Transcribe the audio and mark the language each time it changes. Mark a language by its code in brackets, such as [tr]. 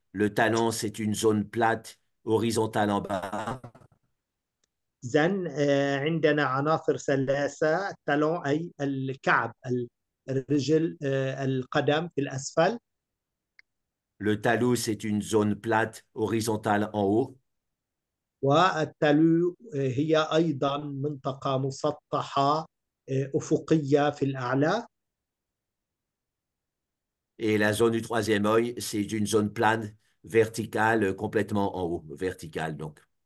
[fr] Le talent, c'est une zone plate, horizontale en bas. [ar] إذن عندنا عناصر ثلاثة: الطالون أي الكعب، الرجل، القدم في الأسفل. [fr] Le talus, c'est une zone plate, horizontale en haut. [ar] والتالو هي أيضا منطقة مسطحة أفقية في الأعلى. [fr] Et la zone du troisième œil, c'est une zone plane, verticale, complètement en haut, verticale donc.